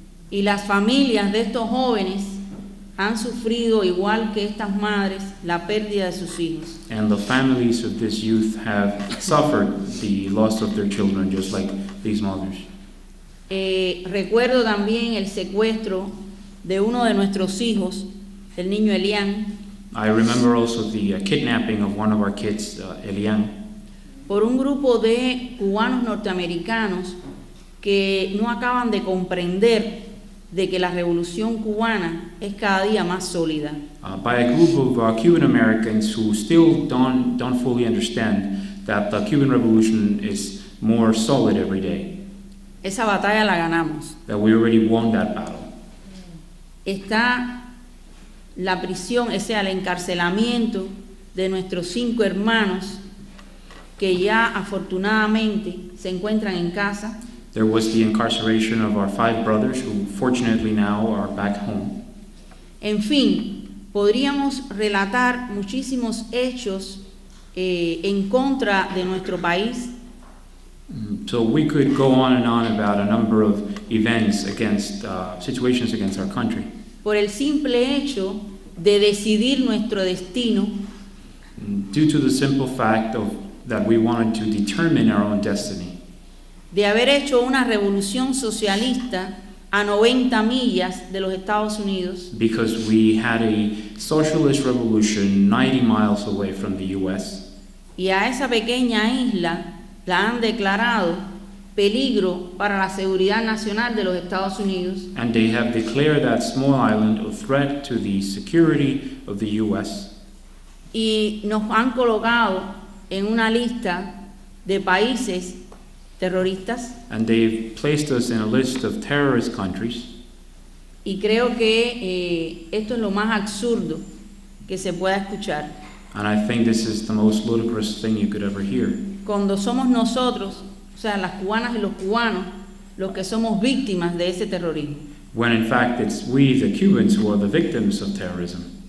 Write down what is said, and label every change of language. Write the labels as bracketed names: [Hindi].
[Spanish] Y las familias de estos jóvenes han sufrido igual que estas madres la pérdida de sus hijos. [English] And the families of this youth have suffered the loss of their children, just like these mothers. [Spanish] Recuerdo también el secuestro de uno de nuestros hijos, el niño Elian. [English] I remember also the kidnapping of one of our kids, Elian. [Spanish] Por un grupo de cubanos norteamericanos que no acaban de comprender de que la revolución cubana es cada día más sólida. [English] By a group of Cuban Americans who still don't fully understand that the Cuban Revolution is more solid every day. [Spanish] Esa batalla la ganamos. [English] That we already won that battle. [Spanish] Está la prisión, ese el encarcelamiento de nuestros cinco hermanos que ya afortunadamente se encuentran en casa. [English] There was the incarceration of our five brothers who fortunately now are back home. [Spanish] En fin, podríamos relatar muchísimos hechos en contra de nuestro país. [English] So we could go on and on about a number of events against situations against our country. [Spanish] Por el simple hecho de decidir nuestro destino. [English] Due to the simple fact of that we wanted to determine our own destiny. [Spanish] De haber hecho una revolución socialista a 90 millas de los Estados Unidos. [English] Because we had a socialist revolution 90 miles away from the US. [Spanish] Y a esa pequeña isla la han declarado peligro para la seguridad nacional de los Estados Unidos. [English] And they have declared that small island a threat to the security of the US. [Spanish] Y nos han colocado en una lista de países terroristas. [English] And they've placed us in a list of terrorist countries. [Spanish] Y creo que esto es lo más absurdo que se pueda escuchar. [English] And I think this is the most ludicrous thing you could ever hear. [Spanish] Cuando somos nosotros, o sea, las cubanas y los cubanos, los que somos víctimas de ese terrorismo. [English] When in fact it's we, the Cubans, who are the victims of terrorism.